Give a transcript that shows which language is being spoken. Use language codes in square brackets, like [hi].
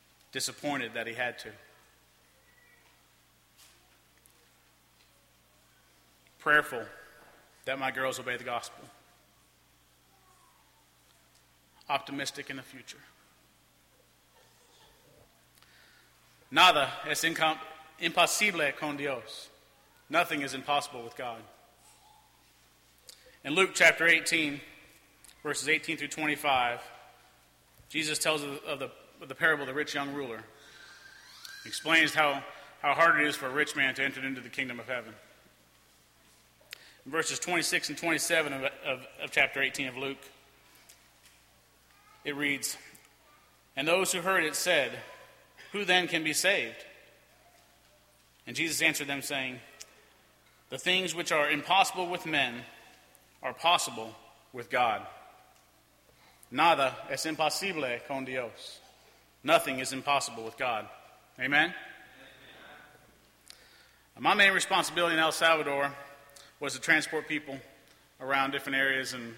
[en] Disappointed that he had to. Prayerful that my girls obey the gospel. Optimistic in the future. [es] Nada es imposible con Dios. [en] Nothing is impossible with God. In Luke chapter 18, verses 18 through 25, Jesus tells of the parable of the rich young ruler. He explains how hard it is for a rich man to enter into the kingdom of heaven. In verses 26 and 27 of chapter 18 of Luke, it reads, "And those who heard it said, 'Who then can be saved?' And Jesus answered them, saying, 'The things which are impossible with men are possible with God. [es] Nada es imposible con Dios.' [en] Nothing is impossible with God." Amen? My main responsibility in El Salvador was to transport people around different areas.